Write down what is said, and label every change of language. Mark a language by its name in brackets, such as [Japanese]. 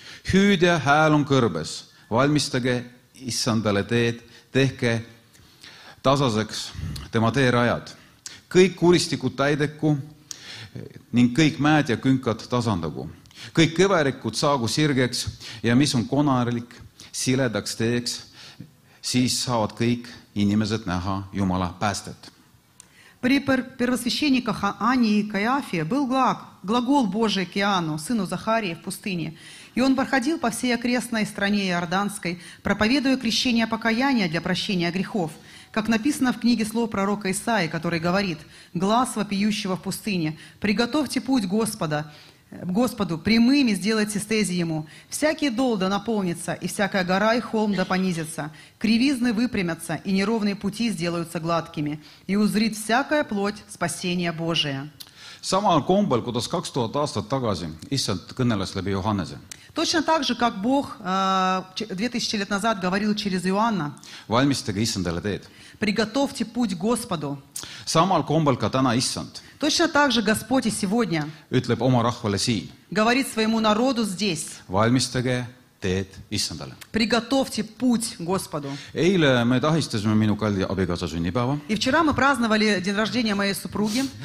[Estonian] Hüüdja hääl on kõrbes, valmistage Issandale teed, tehke tasaseks tema teerajad. Kõik kuristikud täideku ning kõik mäed ja künkad tasandagu. Kõik kõverikud saagu sirgeks ja mis on konarlik, siledaks teeks, siis saavad kõik inimesed näha Jumala päästet. [Russian] При первосвященниках Ании и Каиафе был глагол Божий к Иоанну, сыну Захарии, в пустыне. И он проходил по всей окрестной стране Иорданской, проповедуя крещение покаяния для прощения грехов, как написано в книге слов пророка Исаии, который говорит «Глас вопиющего в пустыне, приготовьте путь Господа, Господу, прямыми сделайте стези Ему. Всякий дол да наполнится, и всякая гора и холм да понизится. Кривизны выпрямятся, и неровные пути сделаются гладкими. И узрит всякая плоть спасения Божия». [Estonian] Samal kombel, kuidas 2000 aastat tagasi Issand kõneles läbi Johannese. [Russian] Точно так же, как Бог 2000 лет назад говорил через Иоанна. [Estonian] Valmistage Issandale teed. [Russian] Приготовьте путь Господу. [Estonian] Samal kombel ka täna Issand. [Russian] Точно так же Господь и сегодня. [Estonian] Ütleb oma rahvale siin. [Russian] Говорит своему народу здесь. [Estonian] Valmistage teed Issandale. [Russian] Приготовьте путь Господу. [Estonian] Eile me tähistasime minu kalli abikaasa sünnipäeva. [Russian] И вчера мы праздновали день рождения моей супруги.